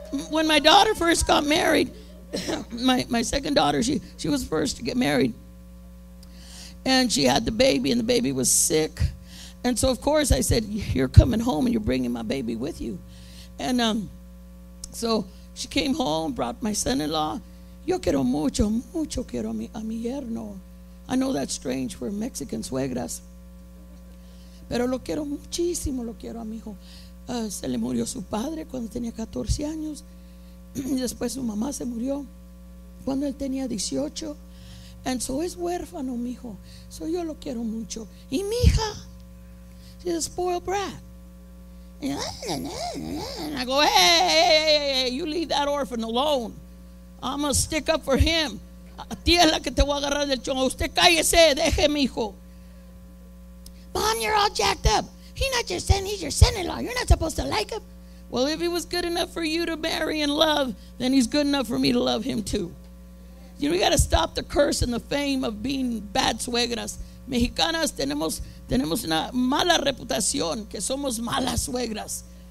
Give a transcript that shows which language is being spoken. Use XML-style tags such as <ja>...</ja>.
<en>When my daughter first got married, my second daughter, she was first to get married. And she had the baby, and the baby was sick. And so, of course, I said, you're coming home, and you're bringing my baby with you. And so she came home, brought my son-in-law.</en> <es>Yo quiero mucho, mucho quiero a mi yerno.</es> <en>I know that's strange for Mexican suegras.</en> <es>Pero lo quiero muchísimo, lo quiero a mi hijo. Se le murió su padre cuando tenía 14 años. Después su mamá se murió cuando él tenía 18.</es> <en>And so</en> <es>es huérfano, mijo. So yo lo quiero mucho. Y mi hija,</es> <en>she's a spoiled brat. And I go, hey, you leave that orphan alone. I'm going to stick up for him.</en> <es>A ti es la que te voy a agarrar del chongo. Usted cállese, deje, mijo.</es> <en>Mom, you're all jacked up. He's not your son, he's your son-in-law. You're not supposed to like him. Well, if he was good enough for you to marry and love, then he's good enough for me to love him too. You know, we got to stop the curse and the fame of being bad suegras.</en> <es>Mexicanas, tenemos una mala reputación, que somos malas suegras.</es>